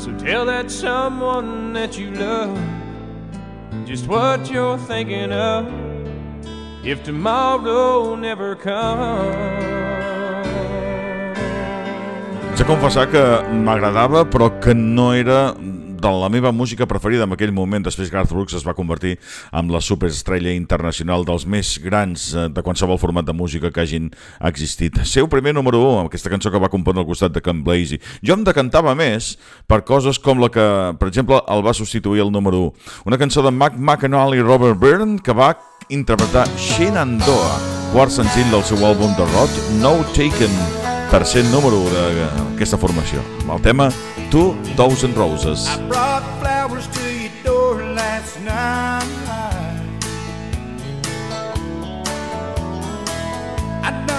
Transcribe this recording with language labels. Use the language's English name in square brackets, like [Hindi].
[English] Tell that someone that you love just what you're thinking of if tomorrow never comes. [Catalan] Sé confessar que m'agradava, però que no era de la meva música preferida en aquell moment. Després Garth Brooks es va convertir en la superestrella internacional dels més grans de qualsevol format de música que hagin existit. Seu primer número 1 amb aquesta cançó que va compondre al costat de Count Basie. Jo em decantava més per coses com la que, per exemple, el va substituir el número 1. Una cançó de Mac McAnally i Robert Byrne que va interpretar Shenandoah, quart senzill del seu àlbum de rock No Taken, tercer número 1 d'aquesta formació. El tema 2,000 Roses. [English] I brought flowers to your door last night. I